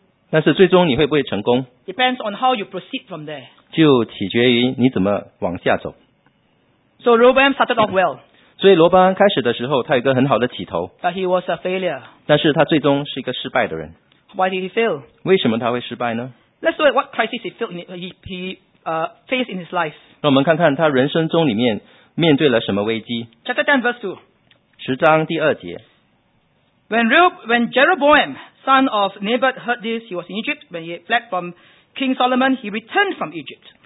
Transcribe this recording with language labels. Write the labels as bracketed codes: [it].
[zh] 但是最终你会不会成功, [en] depends on how you proceed from there. [zh] 就取决于你怎么往下走。 [en] So Rehoboam started off well. [zh] 所以罗伯安开始的时候，他有一个很好的起头。 [en] But he was a failure. [zh] 但是他最终是一个失败的人。 [en] Why did he fail? [zh] 为什么他会失败呢? [en] Let's look at what crisis he faced in his life. [zh] 让我们看看他人生中里面面对了什么危机。 [en] Chapter 10, verse 2. [zh] 十章第二节。 [en] When Jeroboam, son of Nebat, heard this, he was in Egypt. When he fled from King Solomon, he returned from Egypt.